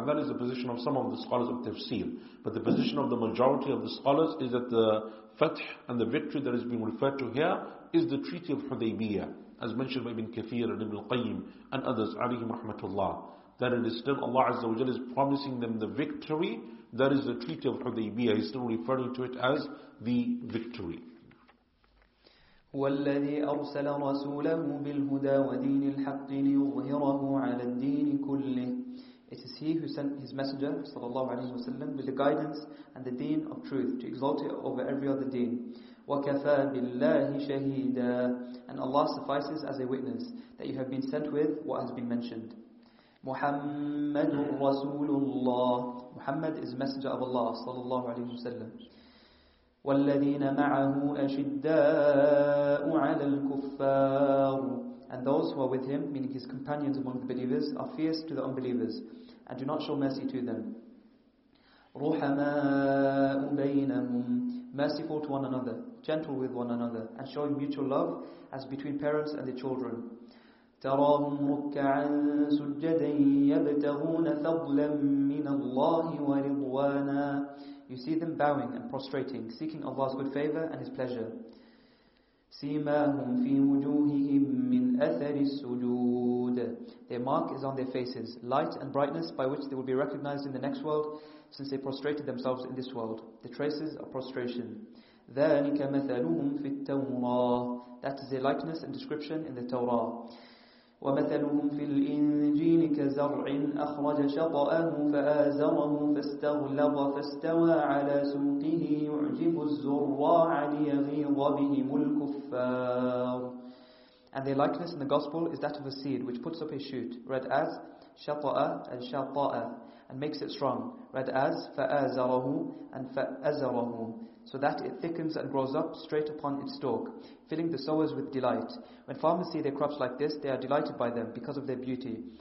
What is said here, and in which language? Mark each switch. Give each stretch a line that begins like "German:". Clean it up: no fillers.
English: And that is the position of some of the scholars of tafsir. But the position of the majority of the scholars is that the fath and the victory that is being referred to here is the Treaty of Hudaybiyah, as mentioned by Ibn Kathir and Ibn Qayyim and others, alayhim rahmatullah. That it is still Allah Azza wa Jalla is promising them the victory. That is the Treaty of Hudaybiyah. He's still referring to it as the victory.
Arabic: والذي أرسل رسوله بالهدى ودين الحق ليظهره على الدين كله.
English: It is He who sent His Messenger, sallallahu alaihi wasallam, with the guidance and the deen of truth to exalt it over every other deen.
Arabic: وكفى بالله شهيدا.
English: And Allah suffices as a witness that you have been sent with what has been mentioned.
Arabic: محمد رسول الله.
English: Muhammad is the Messenger of Allah, sallallahu alaihi wasallam.
Arabic: والذين معه أشداء على الكفار.
English: And those who are with him, meaning his companions among the believers, are fierce to the unbelievers, and do not show mercy to them.
Arabic: رحماء بينهم.
English: Merciful to one another, gentle with one another, and showing mutual love as between parents and their children.
Arabic: تراهم ركعا سجدا يبتغون فضلا من الله ورضوانا.
English: You see them bowing and prostrating, seeking Allah's good favor and His pleasure.
Arabic: سِيمَاهُمْ فِي وُجُوهِهِمْ مِنْ أَثَرِ السُّجُودِ.
English: Their mark is on their faces, light and brightness by which they will be recognized in the next world, since they prostrated themselves in this world. The traces of prostration.
Arabic: ذلك مثلهم في التوراة.
English: That is their likeness and description in the Torah.
Arabic: ومثلهم في الإنجيل كزرع أخرج شطأه فآزره فاستغلظ فاستوى على سوقه يعجب الزراع ليغيظ بهم الكفار.
English: And their likeness in the gospel is that of a seed which puts up a shoot, read as شطأ and شطأ, and makes it strong, read as فآزره and فأزره, so that it thickens and grows up straight upon its stalk, filling the sowers with delight. When farmers see their crops like this, they are delighted by them because of their beauty.